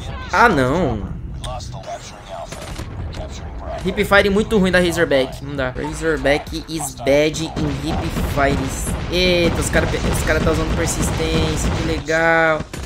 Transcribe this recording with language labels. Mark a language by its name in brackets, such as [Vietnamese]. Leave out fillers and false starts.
[Portuguese] Ah, não. Hip fire muito ruim da Razorback. Não dá. [English] Razorback is bad in hip fires. [Portuguese] Eita, os cara tá usando persistência. Que legal.